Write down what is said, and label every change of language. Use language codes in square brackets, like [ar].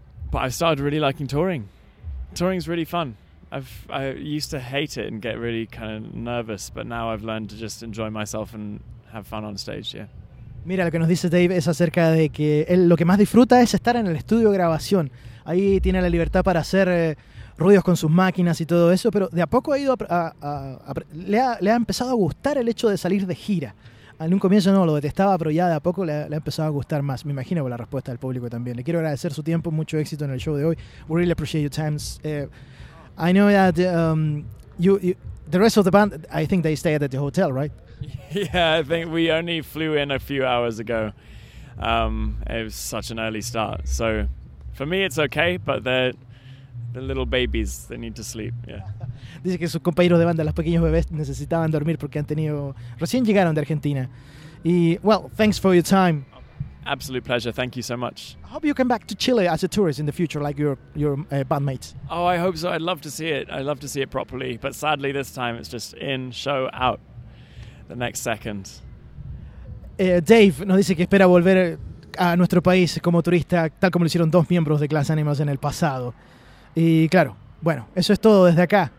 [en] But I started really liking touring. Touring's really fun. I used to hate it and get really kind of nervous, but now I've learned to just enjoy myself and have fun on stage, yeah. [es] Mira, lo que nos dice Dave es acerca de que él lo que más disfruta es estar en el estudio de grabación. Ahí tiene la libertad para hacer ruidos con sus máquinas y todo eso, pero de a poco ha ido le ha empezado a gustar el hecho de salir de gira. En un comienzo no, lo detestaba, pero ya de a poco le ha empezado a gustar más. Me imagino por la respuesta del público también. Le quiero agradecer su tiempo, mucho éxito en el show de hoy. [en] We really appreciate your time. I know that you, the rest of the band, I think they stayed at the hotel, right? Yeah, I think we only flew in a few hours ago. It was such an early start. So for me, it's okay, but the little babies, they need to sleep. Yeah. [es] Dice que sus compañeros de banda, los pequeños bebés, necesitaban dormir porque han tenido recién llegaron de Argentina. [en] Y, well, thanks for your time. Absolute pleasure. Thank you so much. I hope you come back to Chile as a tourist in the future, like your bandmates. Oh, I hope so. I'd love to see it. I'd love to see it properly. But sadly, this time it's just in, show, out. The next second. [es] Dave nos dice que espera volver a nuestro país como turista, tal como lo hicieron dos miembros de Glass Animals en el pasado. Y claro, bueno, eso es todo desde acá.